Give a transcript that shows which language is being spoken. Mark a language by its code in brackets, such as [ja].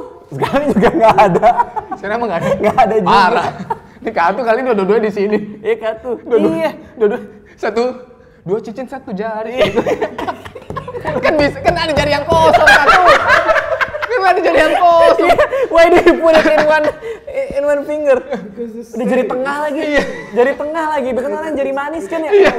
[id] Sekarang juga nggak ada. Sekarang emang nggak ada? Nggak ada juga. Parah. Ini Khattu kali ini dua-duanya di sini. Iya Khattu. Iya. Satu. Dua cincin satu jari. Kan bisa, kan ada jari yang kosong Khattu. Kan ada jari yang kosong. [en] Why do you put it in one finger? [id] Ada jari tengah lagi. Jari tengah lagi. Bukan orang jari manis kan ya?